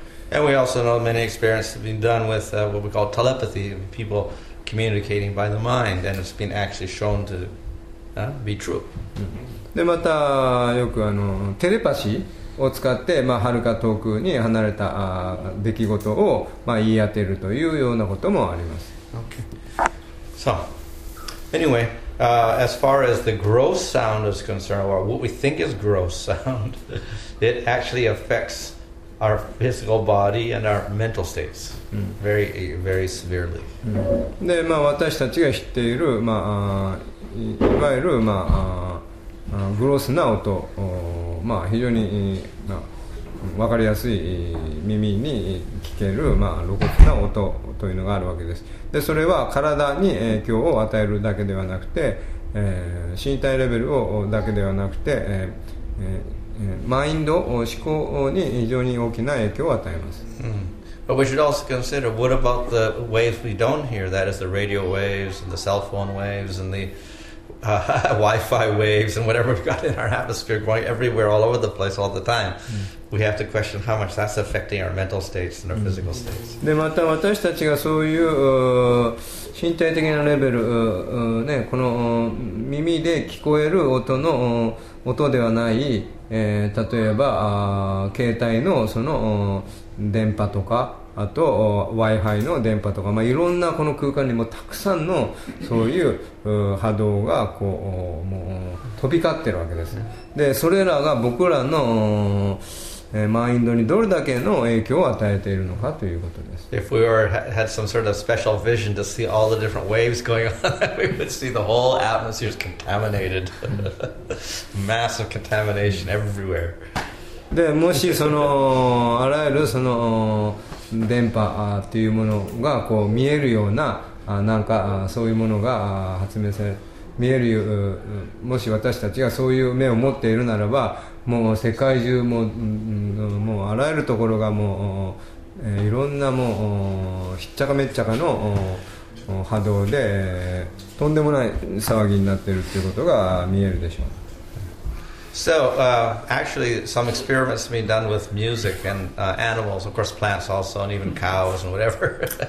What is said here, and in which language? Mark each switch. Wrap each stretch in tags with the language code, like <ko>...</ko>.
<en>And we also know many experiments have been done with what we call telepathy, peopleCommunicating by the mind, and it's been actually shown to be true.</en> <ja>でまたよくテレパシーを使って、まあ、はるか遠くに離れた出来事を、まあ、言い当てるというようなこともあります。</ja> <en>Okay. So, anyway, as far as the gross sound is concerned, or what we think is gross sound, it actually affects our physical body and our mental states very, very severely.</en> <ja>で、まあ、私たちが知っている、まあ、いわゆる、まあ、グロスな音、まあ、非常に、まあ、分かりやすい耳に聞ける、まあ、露骨な音というのがあるわけです。で、それは体に影響を与えるだけではなくて、身体レベルをだけではなくて、マインド、思考に非常に大きな影響を与えます。</ja> <en>But we should also consider what about the waves we don't hear? That is the radio waves and the cell phone waves and the Wi-Fi waves and whatever we've got in our atmosphere going everywhere, all over the place, all the time. We have to question how much that's affecting our mental states and our physical states.</en> <ja>で、また私たちがそういう身体的なレベル、ね、この耳で聞こえる音の音ではない、例えば携帯のその電波とか、あと Wi-Fi の電波とか、まあ、いろんなこの空間にもたくさんのそういう波動がこうもう飛び交ってるわけですね。で、それらが僕らのマインドにどれだけの影響を与えているのかということです。</ja> <en>If we were, had some sort of special vision to see all the different waves going on, we would see the whole atmosphere is contaminated. Massive contamination everywhere.</en> <ja>で、もしそのあらゆるその電波というものがこう見えるような、なんかそういうものが発明され、見える、もし私たちがそういう目を持っているならば、もう世界中も、もうあらゆるところがもう、いろんなもうひっちゃかめっちゃかの波動で、とんでもない騒ぎになっているということが見えるでしょう。</ja> <en>So, actually some experiments have been done with music and animals, of course plants also, and even cows and whatever.</en>